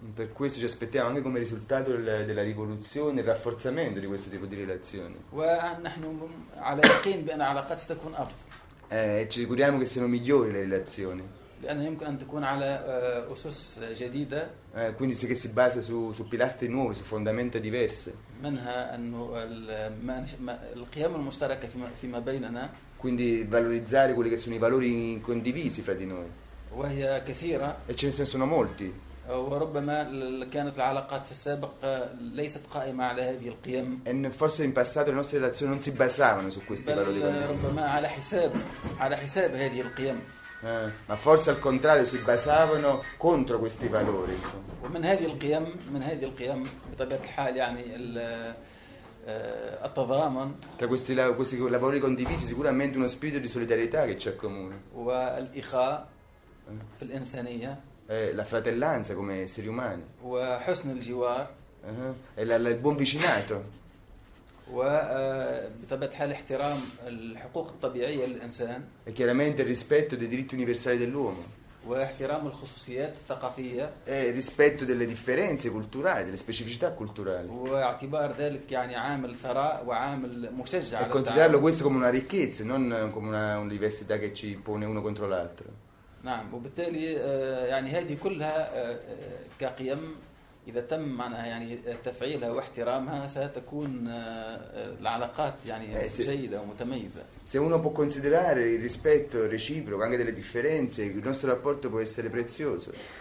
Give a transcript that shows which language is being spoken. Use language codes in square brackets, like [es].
[it] Per questo ci aspettiamo anche come risultato della rivoluzione il rafforzamento di questo tipo di relazioni. [ar] ونحن على يقين بان العلاقات ستكون افضل. [it] Ci auguriamo che siano migliori le relazioni. [ar] لأنه يمكن أن تكون على أسس جديدة. [it] Quindi si che si basa su pilastri nuovi, su fondamenta diverse. [ar] منها أنه القيم المشتركة فيما بيننا. [it] Quindi valorizzare quelli che sono i valori condivisi fra di noi. [ar] وهي كثيرة. [it] E ce ne sono molti. [ar] وربما كانت العلاقات في السابق ليست قائمة على هذه القيم. [it] E forse in passato le nostre relazioni non si basavano su questi valori. [ar] ربما على حساب هذه القيم. [it] Ma forse al contrario si basavano contro questi valori, insomma. [ar] ومن هذه القيم بطبيعة الحال يعني التضامن. [it] Tra questi lavori condivisi sicuramente uno spirito di solidarietà che c'è comune. [ar] والإخاء في الإنسانية. [it] La fratellanza come esseri umani. [ar] وحسن الجوار. [it] E il buon vicinato. [ar] وبطبيعة الحال احترام الحقوق الطبيعية للإنسان. [it] E chiaramente il rispetto dei diritti universali dell'uomo. [ar] واحترام الخصوصيات الثقافية. [it] E rispetto delle differenze culturali, delle specificità culturali. [ar] واعتبار ذلك يعني عامل ثراء وعامل مشجع. [it] E considerarlo questo come una ricchezza, non come una diversità che ci pone uno contro l'altro. [ar] نعم وبالتالي يعني هذه كلها كقيم. إذا تم معناها يعني تفعيلها واحترامها ستكون العلاقات يعني جيدة ومتميزة. [it] Se uno può considerare il rispetto reciproco anche delle differenze, il nostro rapporto può essere prezioso.